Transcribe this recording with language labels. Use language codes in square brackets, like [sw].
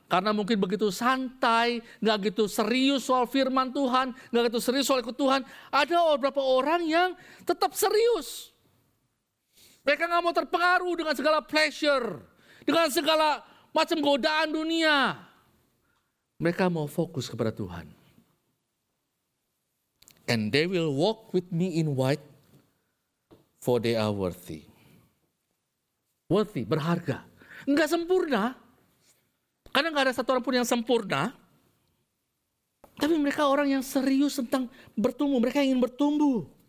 [id] Karena mungkin begitu santai, gak gitu serius soal firman Tuhan, gak gitu serius soal ikut Tuhan. Ada beberapa orang yang tetap serius. Mereka gak mau terpengaruh dengan segala pleasure, dengan segala macam godaan dunia. Mereka mau fokus kepada Tuhan. [en] And they will walk with me in white, for they are worthy. [id] Worthy, berharga. Enggak sempurna. Karena enggak ada satu orang pun yang sempurna. Tapi mereka orang yang serius tentang bertumbuh. Mereka ingin bertumbuh.